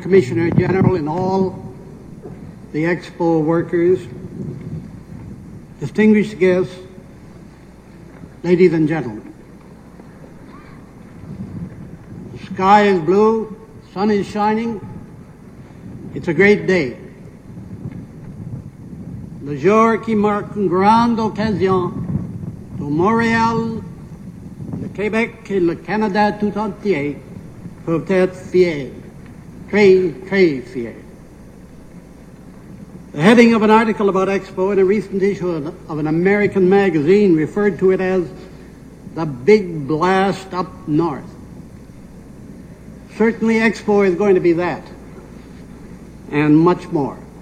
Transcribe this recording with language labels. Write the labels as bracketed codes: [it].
[en] Commissioner General, and all the Expo workers, distinguished guests, ladies and gentlemen. The sky is blue, sun is shining, it's a great day. [fr] Le jour qui marque une grande occasion pour Montréal, le Québec et le Canada tout entier peuvent être fiers, très, très fiers. [en] The heading of an article about Expo in a recent issue of an American magazine referred to it as the big blast up north. Certainly Expo is going to be that and much more.